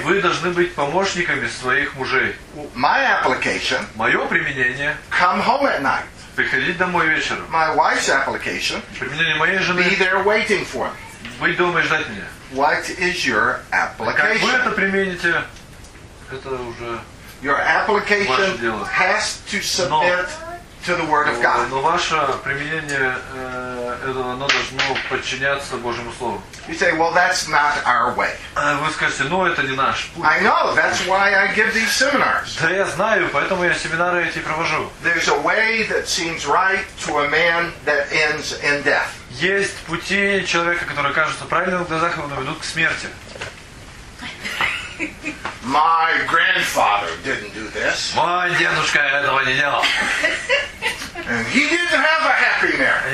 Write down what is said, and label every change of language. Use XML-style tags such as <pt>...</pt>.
<ru>И вы должны быть помощниками своих мужей.</ru> <en>My application.</en> <ru>Мое применение.</ru> <en>Come home at night.</en> <ru>Приходить домой вечером.</ru> <en>My wife's application.</en> <ru>Применение моей жены.</ru> <en>Be there waiting for me.</en> <ru>Быть дома и ждать меня.</ru> <en>What is your application?</en> <ru>Как вы это примените? Это уже.</ru> <en>Your application has to submit to the Word of God.</en> <ru>Но ваше применение этого, оно должно подчиняться Божьему Слову.</ru> <en>You say, well, that's not our way.</en> <ru>Вы скажете, ну это не наш путь.</ru> <en>I know, that's why I give these seminars.</en> <ru>Да я знаю, поэтому я семинары эти провожу.</ru> <en>There's a way that seems right to a man that ends in death.</en> <ru>Есть пути человека, которые кажутся правильными в глазах, но ведут к смерти.</ru> <en>My grandfather didn't do this.</en> <ru>Мой дедушка этого не делал.</ru> <en>And he didn't have a happy marriage.</en>